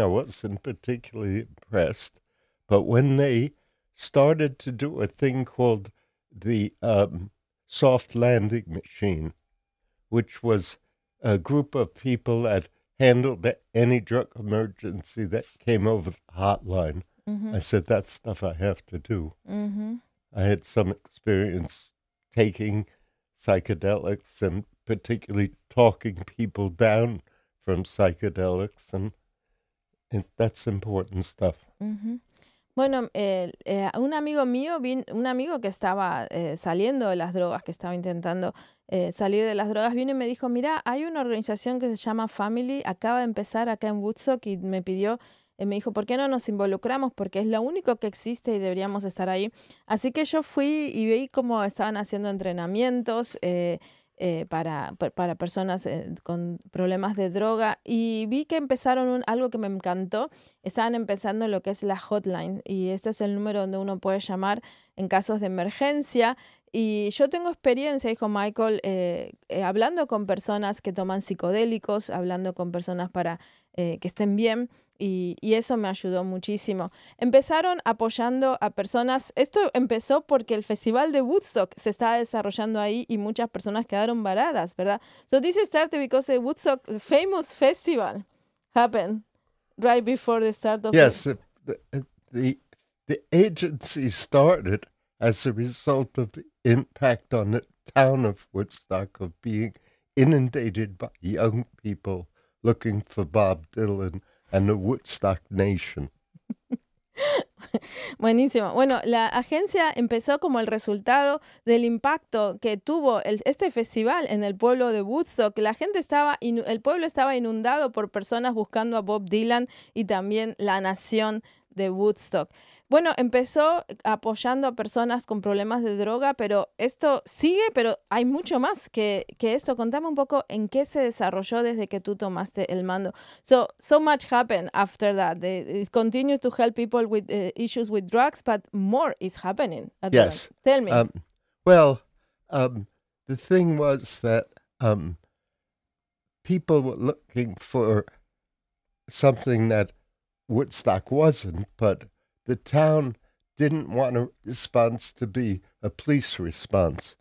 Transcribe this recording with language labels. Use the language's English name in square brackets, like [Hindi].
[English] I wasn't particularly impressed. But when they started to do a thing called the soft landing machine, which was a group of people that handled any drug emergency that came over the hotline. Mm-hmm. I said, that's stuff I have to do. Mm-hmm. I had some experience taking psychedelics and particularly talking people down from psychedelics, and that's important stuff. Mm-hmm. [Spanish] Bueno, un amigo mío, un amigo que estaba saliendo de las drogas, que estaba intentando salir de las drogas, vino y me dijo, mira, hay una organización que se llama Family, acaba de empezar acá en Woodstock, y me pidió, me dijo, ¿por qué no nos involucramos? Porque es lo único que existe y deberíamos estar ahí. Así que yo fui y vi cómo estaban haciendo entrenamientos para personas con problemas de droga y vi que empezaron algo que me encantó, estaban empezando lo que es la hotline y este es el número donde uno puede llamar en casos de emergencia y yo tengo experiencia, dijo Michael, hablando con personas que toman psicodélicos, hablando con personas para que estén bien. Y eso me ayudó muchísimo. Empezaron apoyando a personas. Esto empezó porque el festival de Woodstock se estaba desarrollando ahí y muchas personas quedaron varadas, ¿verdad? [English] So this started because the Woodstock famous festival happened right before the start of yes, the agency started as a result of the impact on the town of Woodstock of being inundated by young people looking for Bob Dylan and the Woodstock Nation. [Spanish] Buenísimo. Bueno, la agencia empezó como el resultado del impacto que tuvo este festival en el pueblo de Woodstock. La gente estaba, el pueblo estaba inundado por personas buscando a Bob Dylan y también la nación de Woodstock. Bueno, empezó apoyando a personas con problemas de droga, pero esto sigue, pero hay mucho más que esto. Contame un poco en qué se desarrolló desde que tú tomaste el mando. [English] So much happened after that. It continues to help people with issues with drugs, but more is happening. Yes. Tell me. The thing was that people were looking for something that Woodstock wasn't, but the town didn't want a response to be a police response.